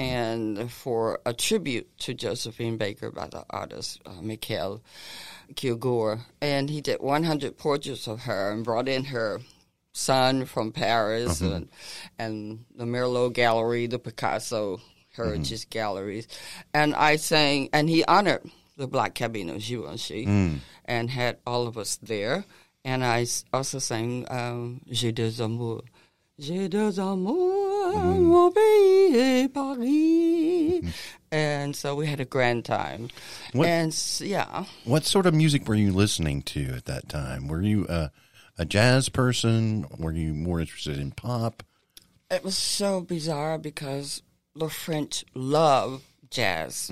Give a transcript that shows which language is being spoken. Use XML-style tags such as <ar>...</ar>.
<en>and for a tribute to Josephine Baker by the artist Mikhail Kilgour, and he did 100 portraits of her and brought in her son from Paris, mm-hmm. and the Merlot Gallery, the Picasso Heritage mm-hmm. Galleries. And I sang, and he honored the Black Cabine of Givenchy and had all of us there. And I also sang</en> <fr>J'ai deux amours. J'ai deux amours, mon pays et Paris.</fr> <en>And so we had a grand time. What sort of music were you listening to at that time? Were you a jazz person? Were you more interested in pop? It was so bizarre because the French love jazz.</en>